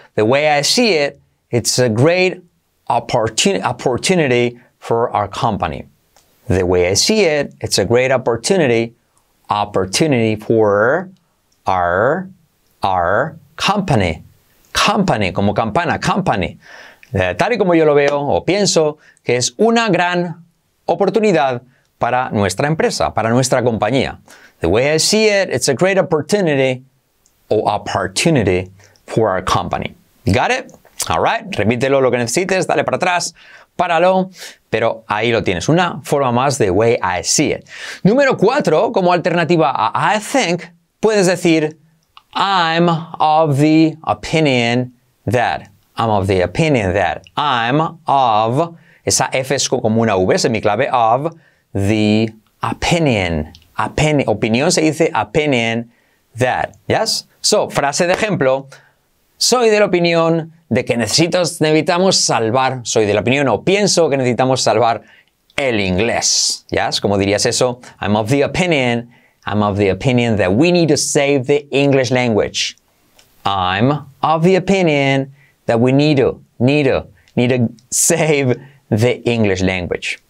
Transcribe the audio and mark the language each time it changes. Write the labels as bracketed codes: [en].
[en] The way I see it, it's a great opportunity for our company. The way I see it, it's a great opportunity for our company. [es] Company, como campana, company. Tal y como yo lo veo o pienso que es una gran oportunidad para nuestra empresa, para nuestra compañía. [en] The way I see it, it's a great opportunity or opportunity for our company. Got it? All right. [es] Repítelo lo que necesites, dale para atrás, páralo, pero ahí lo tienes. Una forma más de [en] way I see it. [es] Número 4, como alternativa a [en] I think, [es] puedes decir [en] I'm of the opinion that. [es] I'm of the opinion that I'm of, esa F es como una V, semiclave, of the opinion. Opinión se dice opinion that, yes? So, frase de ejemplo, soy de la opinión de que necesitamos salvar, soy de la opinión o pienso que necesitamos salvar el inglés, yes? ¿Cómo dirías eso? [en] I'm of the opinion that we need to save the English language. I'm of the opinion that we need to save the English language.